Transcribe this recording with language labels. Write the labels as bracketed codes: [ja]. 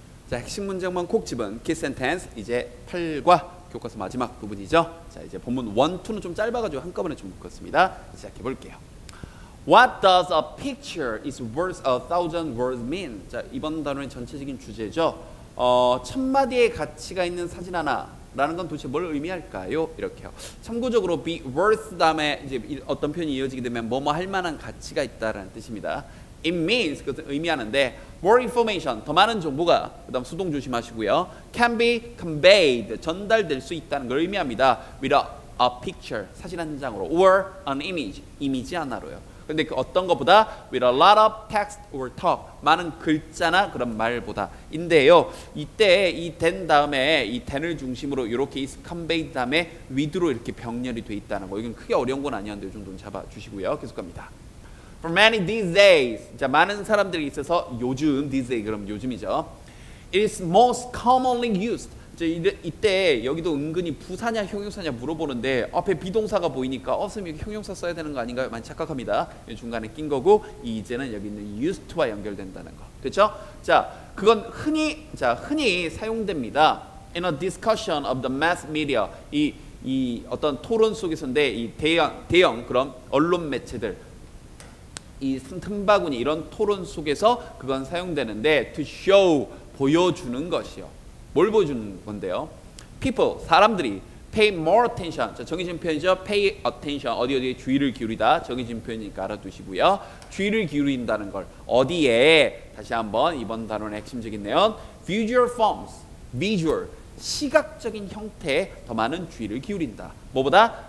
[ko] 자, 핵심 문장만 콕 집은 [en] key sentence [ko] 이제 8과 교과서 마지막 부분이죠. 자, 이제 본문 1, 2는 좀 짧아가지고 한꺼번에 좀 묶었습니다. 시작해 볼게요. [en] What does a picture is worth a thousand words mean? [ko] 자, 이번 단어의 전체적인 주제죠. 1,000마디의 가치가 있는 사진 하나라는 건 도대체 뭘 의미할까요? 이렇게요. 참고적으로 be worth 다음에 이제 어떤 표현이 이어지게 되면 뭐뭐 할 만한 가치가 있다라는 뜻입니다. [en] It means, [ko] 그것은 의미하는데 [en] more information, [ko] 더 많은 정보가, 그 다음 수동 조심하시고요. [en] can be conveyed, [ko] 전달될 수 있다는 걸 의미합니다. [en] with a picture, [ko] 사진 한 장으로 [en] or an image, [ko] 이미지 하나로요. 근데 그 어떤 것보다 [en] with a lot of text or talk, [ko] 많은 글자나 그런 말보다 인데요. 이때 이 된 다음에 이 된을 중심으로 이렇게 [en] is conveyed [ko] 다음에 with로 이렇게 병렬이 돼 있다는 거, 이건 크게 어려운 건 아니었는데 이 정도는 잡아주시고요. 계속 갑니다. [en] For many these days, [ko] 자, 많은 사람들이 있어서 요즘, [en] these days, [ko] 그럼 요즘이죠. [en] It is most commonly used. [ko] 자, 이때 여기도 은근히 부사냐 형용사냐 물어보는데 앞에 비동사가 보이니까 선생님 여기 형용사 써야 되는 거 아닌가요? 많이 착각합니다. 중간에 낀 거고 이제는 여기 있는 used와 연결된다는 거. 됐죠? 자, 그건 흔히 사용됩니다. [en] In a discussion of the mass media, [ko] 이 어떤 토론 속에서인데 이 대형 그럼 언론 매체들 이 틈바구니 이런 토론 속에서 그건 사용되는데 [en] to show [ko] 보여주는 것이요. 뭘 보여주는 건데요? [en] People [ko] 사람들이 [en] pay more attention. [ko] 자, 정해진 표현이죠. [en] pay attention [ko] 어디에 주의를 기울이다. 정해진 표현이니까 알아두시고요. 주의를 기울인다는 걸 어디에 다시 한번 이번 단원의 핵심적인 내용 [en] visual forms, [ko] visual 시각적인 형태에 더 많은 주의를 기울인다. 뭐보다?